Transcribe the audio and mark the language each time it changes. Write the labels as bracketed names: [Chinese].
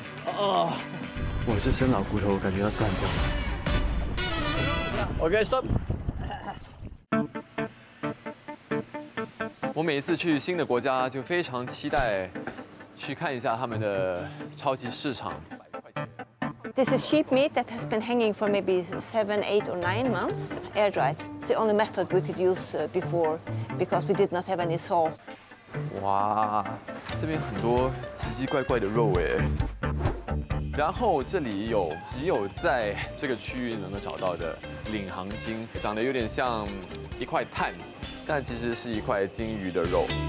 [Chinese] 啊，我这身老骨头感觉要断掉了。 [English] OK, stop. [Chinese] 我每一次去新的国家就非常期待去看一下他们的超级市场。 [English] This is sheep meat that has been hanging for maybe 7, 8, or 9 months, air dried. It's the only method we could use before because we did not have any salt. [Chinese] 哇，这边很多奇奇怪怪的肉哎。然后这里有只有在这个区域能够找到的领航鲸，长得有点像一块碳，但其实是一块鲸鱼的肉。